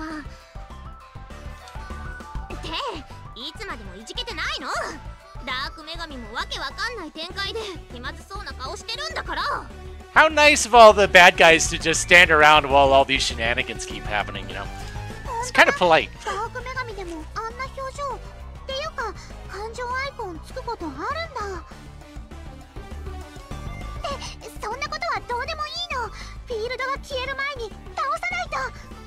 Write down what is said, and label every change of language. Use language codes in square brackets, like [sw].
[ja] って、いつまでもいじけてないの？ダーク女神もわけわかんない展開で気まずそうな顔してるんだから。 [en] How nice of all the bad guys to just stand around while all these shenanigans keep happening, you know? It's kind of polite. [ja] ダーク女神でもあんな表情。っていうか、感情アイコンつくことあるんだ。そんなことはどうでもいいの。フィールドが消える前に倒さないと。